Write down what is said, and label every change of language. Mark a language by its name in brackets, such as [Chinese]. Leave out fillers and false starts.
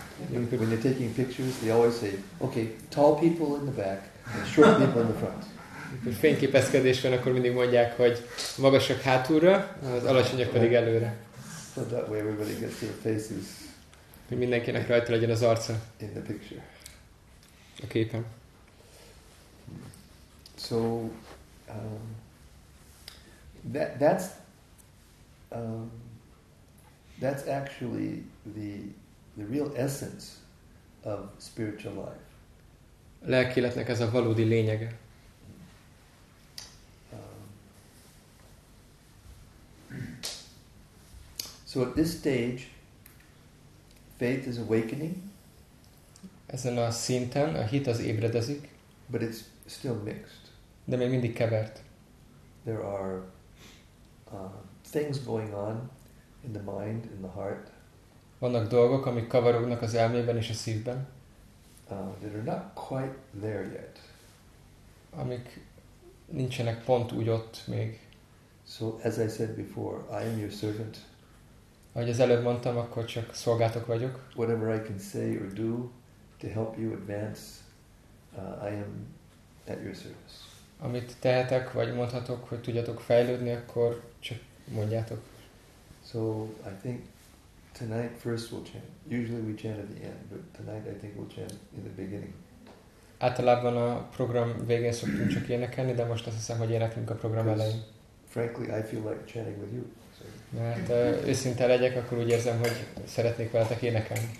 [English] When you're taking pictures, they always say, okay, tall people in the back. Short people in the front. [Hungarian] Amikor fényképezkedés van, akkor mindig mondják, hogy magasak hátulra, az alacsonyak pedig előre. [English] So that way everybody gets their faces. [Hungarian] Hogy mindenkinek rajta legyen az arca. [English] In the picture. [Hungarian] A képen. [English] So, that's actually the real essence of spiritual life. [Hungarian] Lelki életnek ez a valódi lényege. [English] So at this stage, faith is awakening. [Hungarian] Ezen a szinten a hit az ébredezik. [English] But it's still mixed. [Hungarian] De még mindig kevert. [English] There are things going on in the mind, in the heart. [Hungarian] Vannak dolgok, amik kavarognak az elmében és a szívben. [English] That are not quite there yet. [Hungarian] Amik nincsenek pont úgy ott még. [English] So as I said before, I am your servant. [Hungarian] Ahogy az előbb mondtam, akkor csak szolgátok vagyok. [English] Whatever I can say or do to help you advance, I am at your service. [Hungarian] Amit tehetek vagy mondhatok, hogy tudjatok fejlődni, akkor csak mondjátok. [English] So I think tonight first we'll chant. Usually we chant at the end, but tonight I think we'll chant in the beginning. [Hungarian] Általában a program végén szoktunk csak énekelni, de most azt hiszem, hogy énekünk a program elején. [English] Frankly, I feel like chanting with you. [Hungarian] Mert őszinte legyek, akkor úgy érzem, hogy szeretnék veletek énekelni.